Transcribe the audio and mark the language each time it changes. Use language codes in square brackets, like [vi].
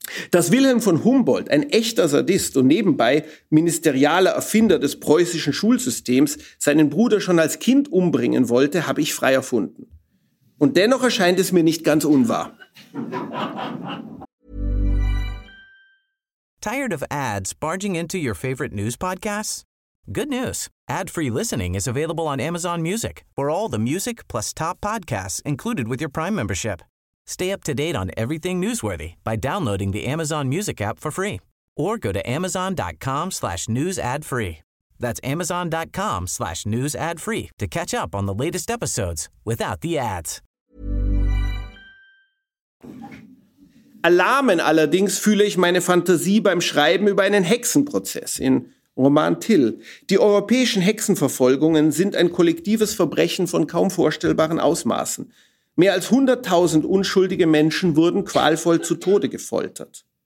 [de] Dass Wilhelm von Humboldt, ein echter Sadist und nebenbei ministerialer Erfinder des preußischen Schulsystems, seinen Bruder schon als Kind umbringen wollte, habe ich frei erfunden. Und dennoch erscheint es mir nicht ganz unwahr. [en] Tired of ads barging into your favorite news podcasts? Good news. Ad-free listening is available on Amazon Music for all the music plus top podcasts included with your Prime membership. Stay up to date on everything newsworthy by downloading the Amazon Music app for free or go to amazon.com/newsadfree. That's amazon.com/newsadfree to catch up on the latest episodes without the ads. [de] Alarmen allerdings fühle ich meine Fantasie beim Schreiben über einen Hexenprozess in Roman Till. Die europäischen Hexenverfolgungen sind ein kollektives Verbrechen von kaum vorstellbaren Ausmaßen. Mehr als 100.000 unschuldige Menschen wurden qualvoll zu Tode gefoltert.